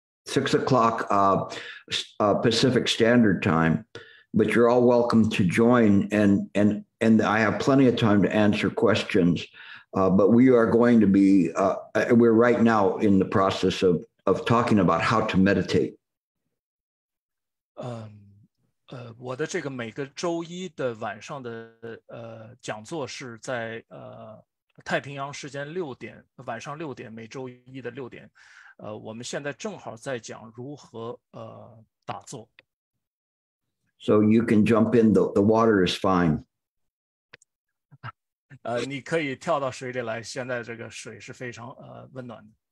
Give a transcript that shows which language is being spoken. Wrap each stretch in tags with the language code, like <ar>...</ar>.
<en>6 o'clock Pacific Standard Time, but you're all welcome to join. And I have plenty of time to answer questions, but we are going to be, we're right now in the process of talking about how to meditate.</en> <zh>我的这个每个周一的晚上的讲座是在太平洋时间六点晚上六点每周一的六点我们现在正好在讲如何打坐。</zh> <en>So you can jump in, the water is fine.</en> <zh>你可以跳到水里来现在这个水是非常温暖的。</zh>